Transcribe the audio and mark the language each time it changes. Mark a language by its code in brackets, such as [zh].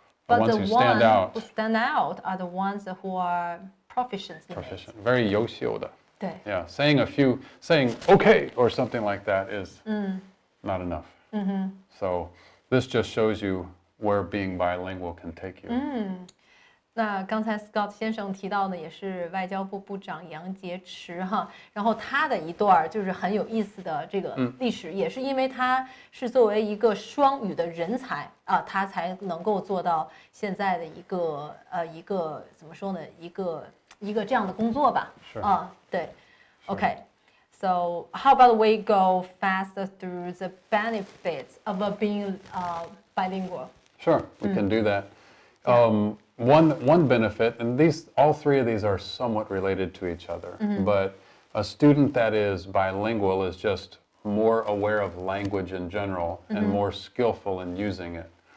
[en] But the ones who stand out are the ones who are proficient. Proficient. Very [zh] 优秀的. 对. [en] Yeah. Saying okay or something like that is not enough. Mm-hmm. So this just shows you where being bilingual can take you. [zh] 那刚才 Scott 先生提到的也是外交部部长杨洁篪哈，然后他的一段就是很有意思的这个历史，也是因为他是作为一个双语的人才啊，他才能够做到现在的一个怎么说呢，一个这样的工作吧。 [en] Sure. [zh] 对。OK. [en] So how about we go faster through the benefits of being bilingual? Sure, we can do that. One benefit, and all three of these are somewhat related to each other, but a student that is bilingual is just more aware of language in general and more skillful in using it.